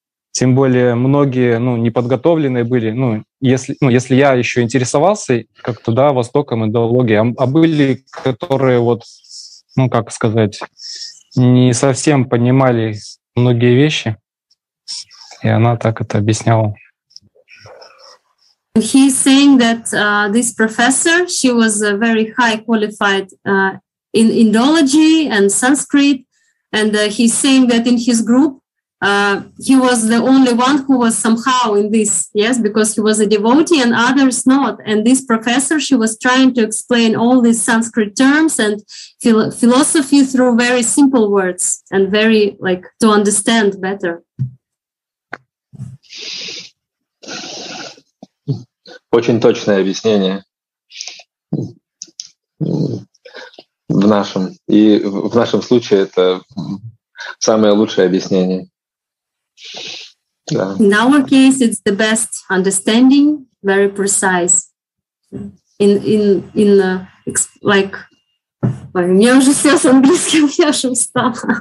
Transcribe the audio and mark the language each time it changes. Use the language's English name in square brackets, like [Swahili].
[Russian] Тем более многие, ну, неподготовленные были. Ну, если я еще интересовался как-то, да, востоком индологии, а были, которые вот, ну, как сказать, не совсем понимали многие вещи, и она так это объясняла. [English] He is saying that this professor, she was very high qualified in Indology and Sanskrit, and he's saying that in his group he was the only one who was somehow in this, yes, because he was a devotee and others not. And this professor, she was trying to explain all these Sanskrit terms and philosophy through very simple words and very, like, to understand better. [Russian] Очень точное объяснение в нашем. И в нашем случае это самое лучшее объяснение. [English] Yeah. In our case, it's the best understanding, very precise. In like, [Russian] у меня уже все с английским, я же устала.